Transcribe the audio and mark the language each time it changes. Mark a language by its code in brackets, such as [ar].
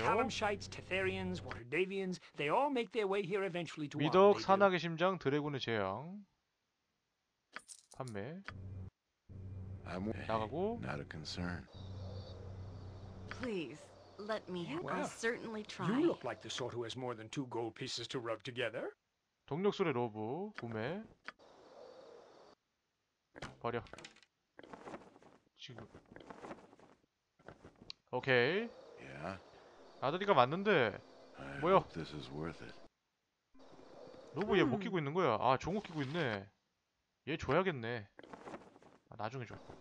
[en] Talamshites, Tetharians, Waterdavians, they all make their way here eventually to. [ko] 미덕 산악의 심장, 드래곤의 재앙. 판매. 나가고. [en] Not a concern. Please. Let me. I'll certainly try. You look like the sort who has more than two gold pieces to rub together. [ko] 동력술의 로브 구매 버려 지금. [en] 오케이. Yeah. [ko] 아들이가 맞는데 [en] I [ko] 뭐야? [en] Hope this is worth it. [ko] 로브 얘 못 끼고 있는 거야. 아 종호 끼고 있네. 얘 줘야겠네. 아, 나중에 줘.